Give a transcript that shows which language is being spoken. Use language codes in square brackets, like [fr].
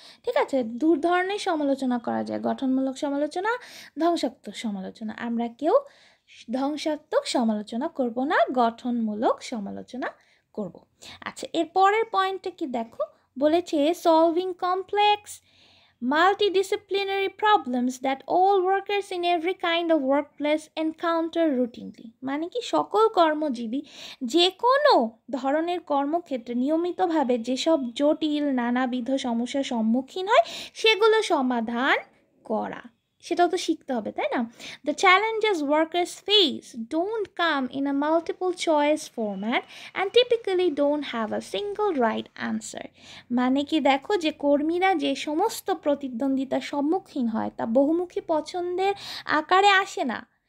[bn] ঠিক আছে, দু ধরনের সমালোচনা করা যায়, গঠনমূলক সমালোচনা, ধ্বংসাত্মক সমালোচনা। আমরা কেউ ধ্বংসাত্মক সমালোচনা করব না, গঠনমূলক সমালোচনা করব। আচ্ছা, এর পরের পয়েন্টটা কি, দেখো বলেছে, [en] Solving complex multidisciplinary problems that all workers in every kind of workplace encounter routinely. [bn] মানে কি সকল কর্মজীবী যে কোনো ধরনের কর্মক্ষেত্রে নিয়মিতভাবে যেসব জটিল নানাবিধ সমস্যার সম্মুখীন হয় সেগুলো সমাধান করা সেটাও তো শিখতে হবে তাই না [en] The challenges workers face don't come in a multiple choice format and typically don't have a single right answer [bn] মানে কি দেখো যে কর্মীরা যে সমস্ত প্রতিদ্বন্দ্বিতা সম্মুখীন হয় তা বহুমুখী পছন্দের আকারে আসে না